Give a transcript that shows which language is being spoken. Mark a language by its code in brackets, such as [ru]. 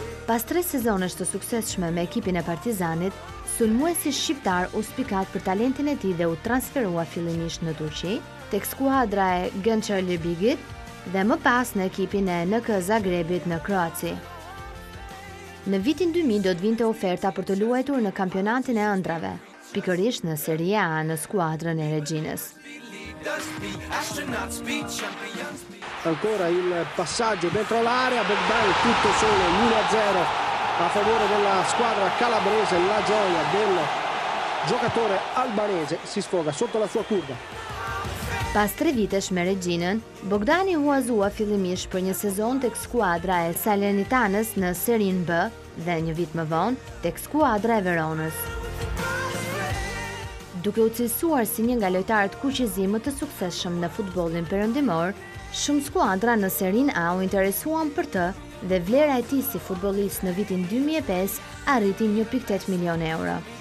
[sq] Pas 3 sezonesh të suksesshme me ekipin e Partizanit, sulmuesi shqiptar u spikat për talentin e tij dhe u transferua fillimisht në Turqi, tek skuadra e Gençer Ljubigit dhe më pas në ekipin e NK Zagrebit në Kroaci. Në vitin 2000 do të vinte oferta për të luajtur në kampionatin e ëndrave, pikërisht në Serie A në skuadrën e Reginës. [it] Ancora il passaggio dentro l'area, Bogdani tutto solo, 1-0 a favore della squadra calabrese, la gioia del giocatore albanese si sfoga sotto la sua curva. [sq] Pas tre vitesh me Reginën, Bogdani huazua fillimisht për një sezon tek skuadra e Salernitanës në Serinë B dhe një vit më vonë tek skuadra e Veronës. Duke u cilësuar si një nga lojtarët kuq e zi më të suksesshëm në futbollin perëndimor, shumë skuadra në Serinë A u interesuan për të dhe vlera e tij si futbollist në vitin 2005 arriti 1.8 milion euro.